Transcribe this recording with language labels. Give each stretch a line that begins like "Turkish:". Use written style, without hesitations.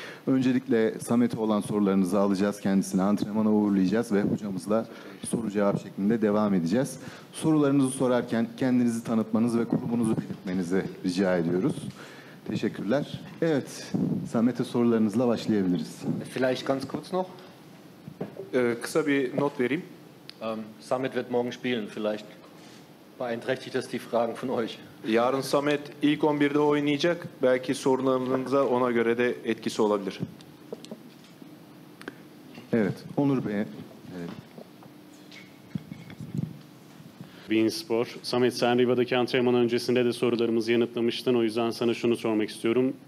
Turkish: Öncelikle Samet'e olan sorularınızı alacağız, kendisine antrenmana uğurlayacağız ve hocamızla soru cevap şeklinde devam edeceğiz. Sorularınızı sorarken kendinizi tanıtmanızı ve kurumunuzu belirtmenizi rica ediyoruz. Teşekkürler. Evet, Samet'e sorularınızla başlayabiliriz.
German: Vielleicht ganz kurz noch.
Turkish: Kısa bir not vereyim.
German: Samet wird morgen spielen. Vielleicht beeinträchtigt das die Fragen von euch.
Turkish: Yarın Samet ilk 11'de oynayacak. Belki sorunlarınıza ona göre de etkisi olabilir. Evet, Onur Bey. Bein Spor. Samet, sen Riva'daki antrenman öncesinde de sorularımızı yanıtlamıştın. O yüzden sana şunu sormak istiyorum.